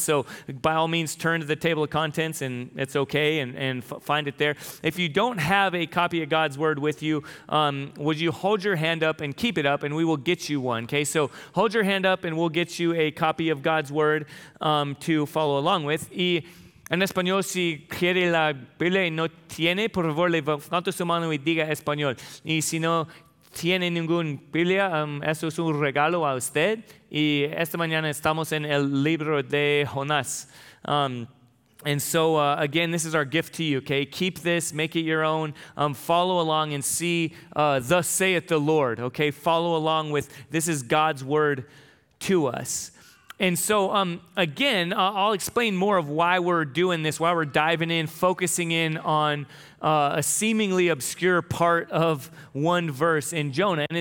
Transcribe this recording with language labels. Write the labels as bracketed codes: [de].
[en] So by all means, turn to the table of contents and it's okay and find it there. If you don't have a copy of God's word with you, would you hold your hand up and keep it up and we will get you one, okay? So hold your hand up and we'll get you a copy of God's word to follow along with. [es] En español, si quiere la Biblia y no tiene, por favor, levante su mano y diga español. Y si no tiene ninguna Biblia, eso es un regalo a usted. Y esta mañana estamos en el libro de Jonás. [en] Again, this is our gift to you, okay? Keep this, make it your own, follow along and see, thus saith the Lord, okay? Follow along with, this is God's word to us. And so, I'll explain more of why we're doing this, why we're diving in, focusing in on a seemingly obscure part of one verse in Jonah.